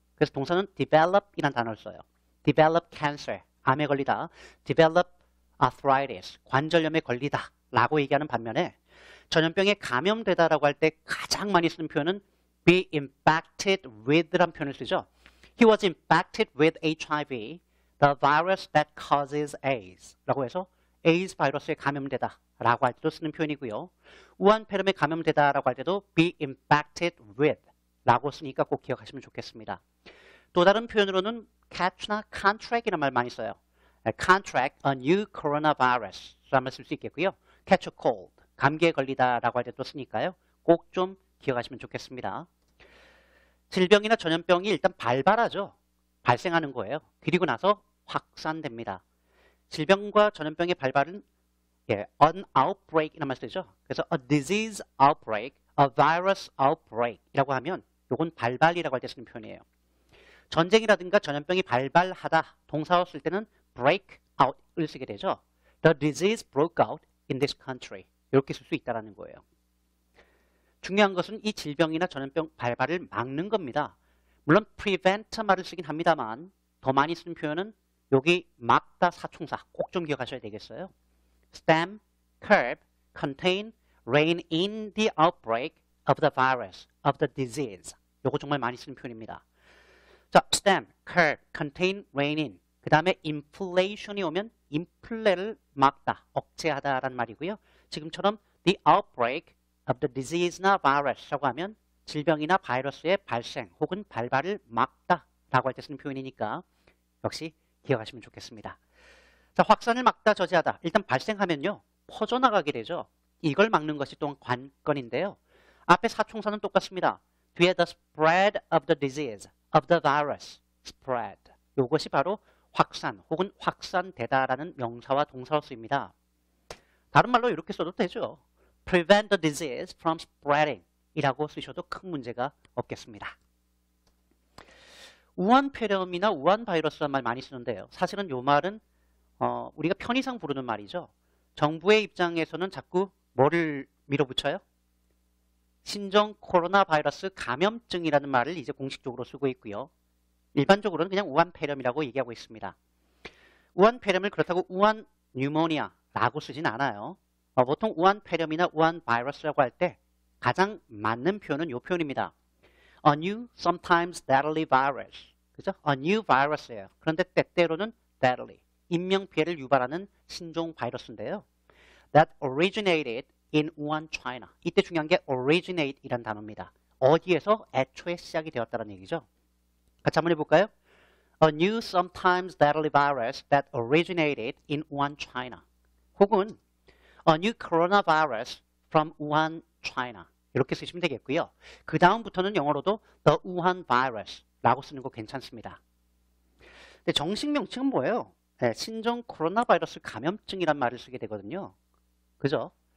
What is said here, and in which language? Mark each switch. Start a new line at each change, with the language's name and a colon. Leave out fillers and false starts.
Korean: 그래서 동사는 develop이란 단어를 써요.
English: develop cancer,
Korean: 암에 걸리다.
English: develop arthritis,
Korean: 관절염에 걸리다라고 얘기하는 반면에 전염병에 감염되다라고 할때 가장 많이 쓰는 표현은
English: be infected with
Korean: 란 표현을 쓰죠.
English: He was infected with HIV, the virus that causes AIDS라고
Korean: 해서 AIDS 바이러스에 감염되다. 라고 할 때도 쓰는 표현이고요. 우한폐렴에 감염되다라고 할 때도
English: be infected with
Korean: 라고 쓰니까 꼭 기억하시면 좋겠습니다. 또 다른 표현으로는 catch나 contract이라는 말 많이 써요.
English: contract a new coronavirus
Korean: 라는 말쓸수 있겠고요.
English: catch a cold
Korean: 감기에 걸리다라고 할 때도 쓰니까요. 꼭좀 기억하시면 좋겠습니다. 질병이나 전염병이 일단 발발하죠. 발생하는 거예요. 그리고 나서 확산됩니다. 질병과 전염병의 발발은 an outbreak 이란 말 쓰죠. 그래서
English: a disease outbreak, a virus outbreak
Korean: 이라고 하면 요건 발발이라고 할때 쓰는 표현이에요. 전쟁이라든가 전염병이 발발하다 동사로 쓸 때는 break out을 쓰게 되죠.
English: The disease broke out in this country.
Korean: 이렇게 쓸수 있다라는 거예요. 중요한 것은 이 질병이나 전염병 발발을 막는 겁니다. 물론 prevent 말을 쓰긴 합니다만 더 많이 쓰는 표현은 여기 막다 사총사 꼭좀 기억하셔야 되겠어요.
English: Stem, curb, contain, rein in the outbreak of the virus, of the disease.
Korean: 요거 정말 많이 쓰는 표현입니다.
English: 자, stem, curb, contain, rein in.
Korean: 그 다음에 inflation이 오면 인플레를 막다, 억제하다라는 말이고요. 지금처럼
English: the outbreak of the disease
Korean: 나 virus라고 하면 질병이나 바이러스의 발생 혹은 발발을 막다라고 할때 쓰는 표현이니까 역시 기억하시면 좋겠습니다. 자, 확산을 막다, 저지하다. 일단 발생하면요. 퍼져나가게 되죠. 이걸 막는 것이 또한 관건인데요. 앞에 사총사는 똑같습니다. 뒤에
English: the spread of the disease, of the virus, spread.
Korean: 이것이 바로 확산 혹은 확산되다라는 명사와 동사로 쓰입니다. 다른 말로 이렇게 써도 되죠.
English: Prevent the disease from spreading
Korean: 이라고 쓰셔도 큰 문제가 없겠습니다. 우한폐렴이나 우한바이러스란 말 많이 쓰는데요. 사실은 이 말은 우리가 편의상 부르는 말이죠. 정부의 입장에서는 자꾸 뭐를 밀어붙여요? 신종 코로나 바이러스 감염증이라는 말을 이제 공식적으로 쓰고 있고요. 일반적으로는 그냥 우한폐렴이라고 얘기하고 있습니다. 우한폐렴을 그렇다고 우한 뉴모니아라고 쓰진 않아요. 보통 우한폐렴이나 우한바이러스라고 할 때 가장 맞는 표현은 이 표현입니다.
English: A new, sometimes deadly virus.
Korean: 그죠?
English: A new virus예요.
Korean: 그런데 때때로는 deadly. 인명피해를 유발하는 신종 바이러스인데요.
English: That originated in Wuhan, China.
Korean: 이때 중요한 게 originate이란 단어입니다. 어디에서 애초에 시작이 되었다는 얘기죠. 같이 한번 해볼까요?
English: A new, sometimes deadly virus that originated in Wuhan, China. 혹은 A new coronavirus from Wuhan, China.
Korean: 이렇게 쓰시면 되겠고요. 그 다음부터는 영어로도 The Wuhan Virus라고 쓰는 거 괜찮습니다. 근데 정식 명칭은 뭐예요? 네, 신종 코로나 바이러스 감염증이란 말을 쓰게 되거든요. 그죠?